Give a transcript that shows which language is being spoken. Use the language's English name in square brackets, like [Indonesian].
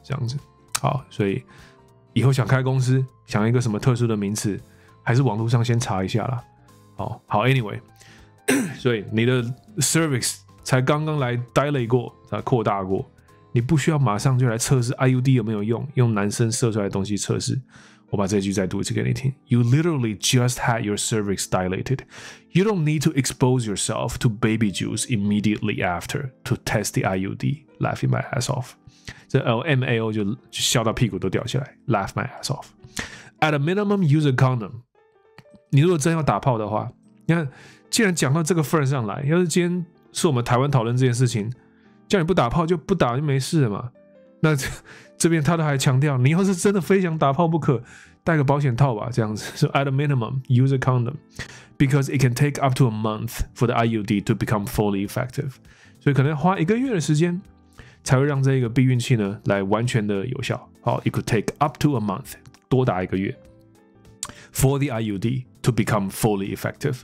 [Chinese] 这样子，好，所以以后想开公司，想一个什么特殊的名词，还是网络上先查一下啦。好，好 ，Anyway， 所以你的 cervix 才刚刚来 dilate 过，才扩大过，你不需要马上就来测试 IUD 有没有用，用男生射出来的东西测试。我把这句再读一次给你听。 [English] You literally just had your cervix dilated. You don't need to expose yourself to baby juice immediately after to test the IUD. Laughing my ass off. 这 LMAO [Chinese] 就笑到屁股都掉下来。 [English] Laugh my ass off. At a minimum, use a condom. [Chinese] 你如果真要打炮的话，你看既然讲到这个份上来，要是今天是我们台湾讨论这件事情，叫你不打炮就不打就没事了嘛。那这边他都还强调，你要是真的非想打炮不可，带个保险套吧，这样子。 [English] So at a minimum, use a condom, because it can take up to a month for the IUD to become fully effective. [Chinese] 所以可能花一个月的时间，才会让这个避孕器呢来完全的有效。 [English] 好 ，it could take up to a month, [Chinese] 多打一个月 [English] ，for the IUD to become fully effective.